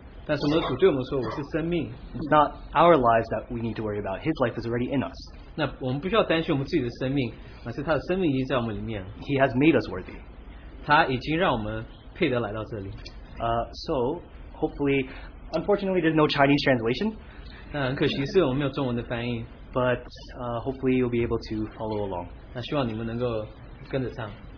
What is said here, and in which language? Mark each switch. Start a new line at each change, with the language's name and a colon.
Chinese: 但是我们的主对我们说，我是生命。
English: It's not our lives that we need to worry about, His life is already in us.
Chinese: 那我们不需要担心我们自己的生命，而是他的生命已经在我们里面。
English: He has made us worthy.
Chinese: 他已经让我们配得来到这里。
English: So, hopefully, unfortunately, there's no Chinese translation.
Chinese: 那很可惜是我们没有中文的翻译。
English: But hopefully, you'll be able to follow along.
Chinese: 那希望你们能够跟得上。